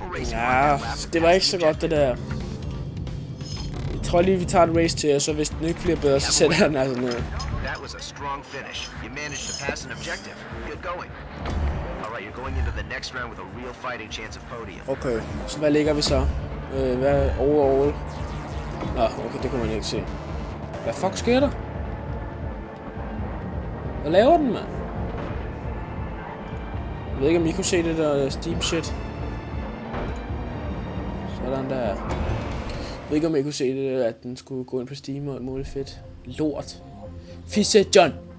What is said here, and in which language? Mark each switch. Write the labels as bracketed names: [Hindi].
[Danish] Ja, det var ikke så godt det der. Jeg tror lige vi tager et race til, og så hvis den ikke bliver bedre, så sætter den altså ned. [English] That was a strong finish. You managed to pass an objective. Good going. All right, you're going into the next round with a real fighting chance of podium. [Danish] Okay, så hvad ligger vi så? Hvad overall? Nå, okay, det kunne man ikke se. Hvad fuck sker der? Hvad laver den, mand? Jeg ved ikke, om I kunne se det der Steam shit. Sådan der. Jeg ved ikke, om I kunne se det der, at den skulle gå ind på Steam og muligt fedt. Lort. Fisse, John!